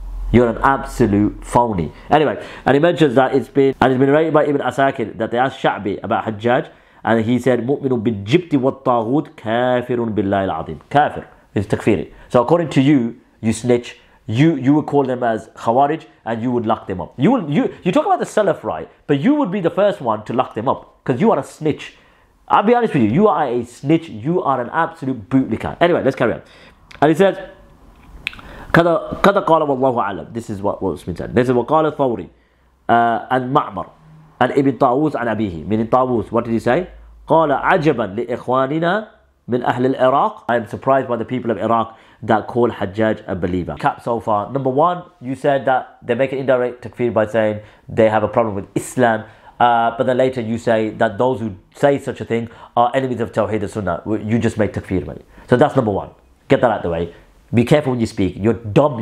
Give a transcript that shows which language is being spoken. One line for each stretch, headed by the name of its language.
English: You're an absolute phony. Anyway, and he mentions that it's been narrated by Ibn Asakir that they asked Sha'bi about Hajjaj, and he said, "Mu'minun bil jibti wa taghut kafirun billahi al-azim." Kafir is takfiri. So according to you, you snitch, you would call them as khawarij, and you would lock them up. You talk about the Salaf, right? But you would be the first one to lock them up, because you are a snitch. I'll be honest with you, you are a snitch. You are an absolute bootlicker. Anyway, let's carry on.
Arabic: And he says, كذا قال والله أعلم.
English: This is what was meant. This is what
Arabic: قال الثوري
English: and معمر and Ibn Tawus
Arabic: عن أبيه.
English: Meaning Tawus, what did he say?
Arabic: قال عجبا لإخواننا من أهل العراق.
English: I am surprised by the people of Iraq that call Hajjaj a believer. Cap so far. Number one, you said that they make an indirect takfir by saying they have a problem with Islam. But then later you say that those who say such a thing are enemies of Tawheed and Sunnah. You just make takfir, man. So that's number one. Get that out of the way. Be careful when you speak. You're dumb.